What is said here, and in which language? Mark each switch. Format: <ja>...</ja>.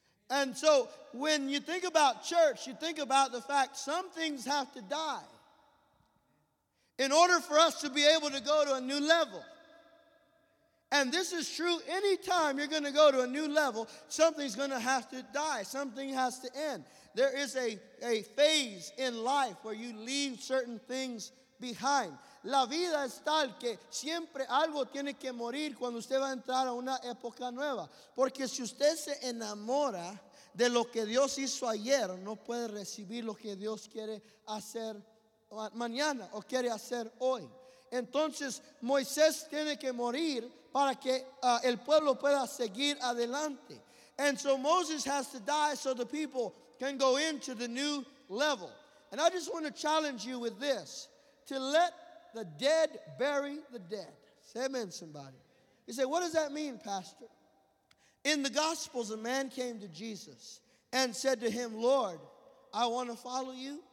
<en>And so when you think about church, you think about the fact some things have to die in order for us to be able to go to a new level. And this is true anytime you're going to go to a new level, something's going to have to die. Something has to end. There is a phase in life where you leave certain things behind.</en> <es>La vida es tal que siempre algo tiene que morir cuando usted va a entrar a una época nueva. Porque si usted se enamora de lo que Dios hizo ayer, no puede recibir lo que Dios quiere hacer mañana o quiere hacer hoy. Entonces, Moisés tiene que morir para que el pueblo pueda seguir adelante.</es> <en>And so Moses has to die so the people can go into the new level. And I just want to challenge you with this, to let the dead bury the dead. Say amen, somebody. You say, what does that mean, Pastor? In the Gospels, a man came to Jesus and said to him, Lord, I want to follow you.</en>